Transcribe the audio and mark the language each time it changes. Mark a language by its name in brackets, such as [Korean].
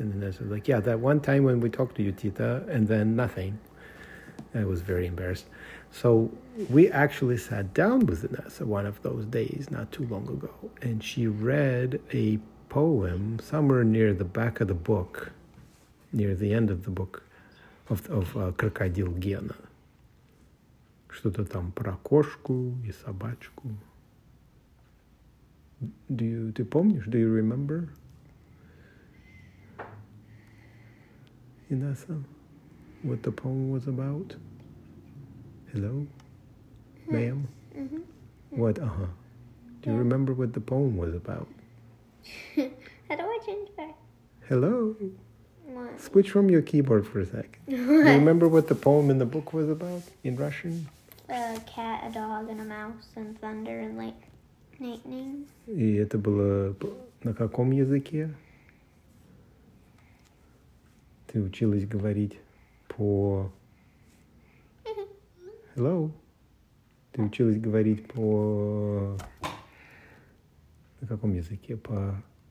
[English] And Inessa was like, yeah, that one time when we talked to you, Tita, and then nothing. I was very embarrassed. So we actually sat down with Inessa one of those days, not too long ago, and she read a poem somewhere near the back of the book, near the end of the book, of Крокодил Гена. [Russian] Что-то там про кошку и собачку. Ты помнишь? [English] Do you remember? Inessa, what the poem was about? Hello? Ma'am? Mm-hmm. What? Uh-huh. Do you remember what the poem was about? How do I change back? Hello? What? Switch from your keyboard for a second. What? Do you remember what the poem in the book was about in Russian? A cat, a dog, and a mouse, and thunder, and lightning. [Russian] И это было на каком языке? Ты училась говорить по... Hello? Ты училась говорить по... На каком языке? По...